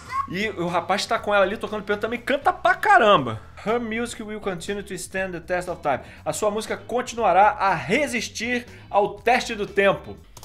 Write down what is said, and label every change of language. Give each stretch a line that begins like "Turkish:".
Portuguese: E o rapaz que tá com ela ali tocando piano também canta pra caramba.
English: Her music will continue to stand the test of time.
Portuguese: A sua música continuará a resistir ao teste do tempo.